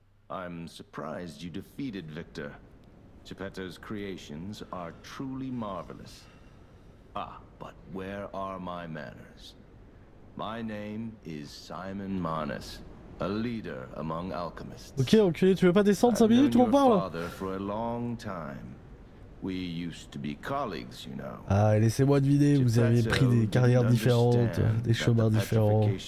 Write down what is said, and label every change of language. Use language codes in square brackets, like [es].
[en] I'm surprised you defeated Victor. Geppetto's creations are truly marvelous. Ah, but where are my manners? My name is Simon Manus, a leader among alchemists. [fr] Ok, enculé, tu veux pas descendre 5 minutes, on parle. [en] For a long time. We used to be colleagues, you know. [fr] Ah, laissez-moi deviner, vous avez pris des carrières différentes, des chemins différents.